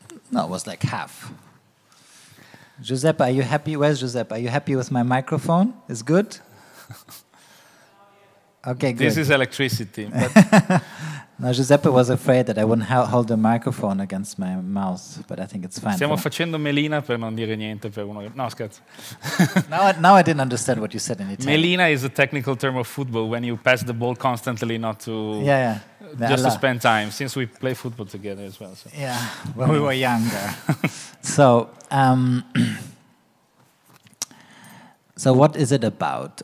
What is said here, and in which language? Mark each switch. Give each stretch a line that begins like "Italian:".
English: No, it was like half. Giuseppe, are you happy? Where's Giuseppe? Are you happy with my microphone? Is good? Okay, good. This is electricity. No, Giuseppe was afraid that I wouldn't hold the microphone against my mouth, but I think it's fine.
Italian: Stiamo facendo melina per non dire niente per uno. No, scherzo.
English: Now I didn't understand what you said in Italian. Melina is a technical term of football when you pass the ball constantly, not to just to spend time. Since we play football together as well. So. Yeah, when we were younger. So, so what is it about?